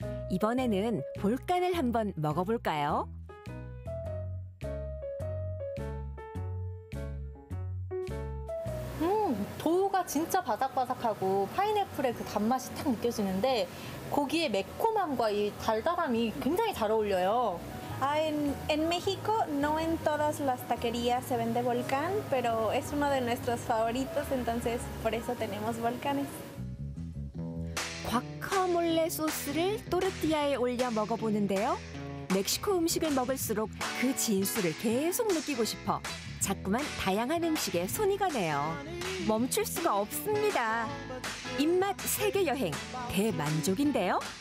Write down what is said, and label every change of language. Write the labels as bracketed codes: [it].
[ko] 이번에는 볼간을 한번 먹어볼까요? 도우가 진짜 바삭바삭하고 파인애플의 그 단맛이 딱 느껴지는데 고기의 매콤함과 이 달달함이 굉장히 잘 어울려요. [es] En México no en todas las taquerías se vende volcán, pero es uno de nuestros favoritos, entonces por eso tenemos volcanes. [ko] 과카몰레 소스를 토르티아에 올려 먹어보는데요. 멕시코 음식을 먹을수록 그 진수를 계속 느끼고 싶어 자꾸만 다양한 음식에 손이 가네요. 멈출 수가 없습니다. 입맛 세계 여행 대만족인데요.